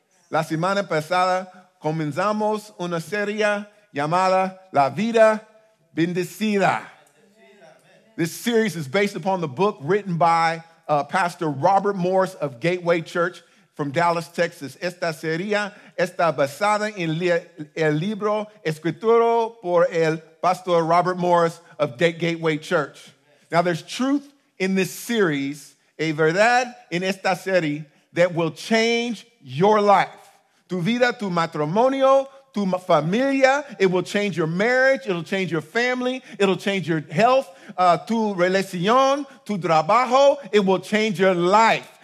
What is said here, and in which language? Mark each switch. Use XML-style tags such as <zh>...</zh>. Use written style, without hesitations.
<es>La semana pasada comenzamos una serie llamada La Vida Bendecida.</es> <en>This series is based upon the book written by Pastor Robert Morris of Gateway Church from Dallas, Texas.</en> <es>Esta serie está basada en el libro escrito por el Pastor Robert Morris</es> <en>of Gateway Church. Now, there's truth in this series,</en> <es>a verdad en esta serie,</es> <en>that will change your life.</en> <es>Tu vida, tu matrimonio, tu familia.</es> <en>It will change your marriage. It'll change your family. It'll change your health.</en> <es>Tu relación, tu trabajo,</es> <en>it will change your life.</en>